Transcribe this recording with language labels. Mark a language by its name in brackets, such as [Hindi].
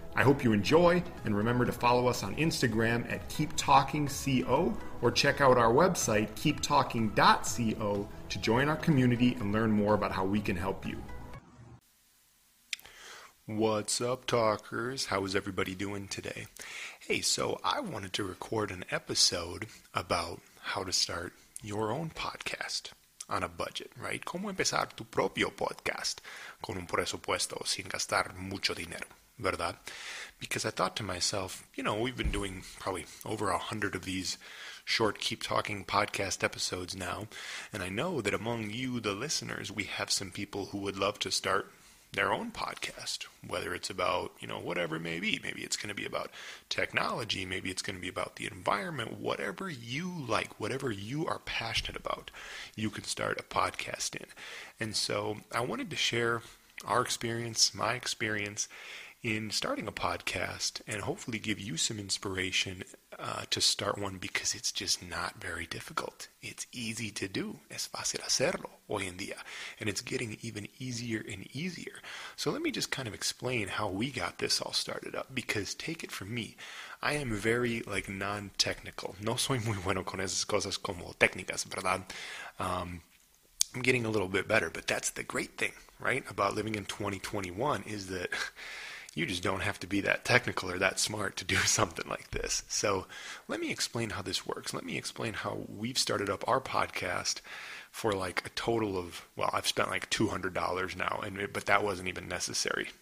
[English] I hope you enjoy, and remember to follow us on Instagram at KeepTalkingCO, or check out our website, KeepTalking.co, to join our community and learn more about how we can help you. What's up, talkers? How is everybody doing today? Hey, so I wanted to record an episode about how to start your own podcast on a budget, right? [Spanish] ¿Cómo empezar tu propio podcast con un presupuesto sin gastar mucho dinero? ¿Verdad? [English] Because I thought to myself, you know, we've been doing probably over 100 of these short Keep Talking podcast episodes now, and I know that among you, the listeners, we have some people who would love to start their own podcast, whether it's about, you know, whatever it may be. Maybe it's going to be about technology, maybe it's going to be about the environment, whatever you like, whatever you are passionate about, you can start a podcast in. And so I wanted to share our experience, my experience in starting a podcast, and hopefully give you some inspiration to start one, because it's just not very difficult. It's easy to do. [Spanish] Es fácil hacerlo hoy en día. [English] And it's getting even easier and easier. So let me just kind of explain how we got this all started up, because take it from me, I am very, like, non-technical. [Spanish] No soy muy bueno con esas cosas como técnicas, ¿verdad? [English] I'm getting a little bit better, but that's the great thing, right, about living in 2021 is that you just don't have to be that technical or that smart to do something like this. So let me explain how this works. Let me explain how we've started up our podcast for like a total of, well, I've spent like $200 now, but that wasn't even necessary.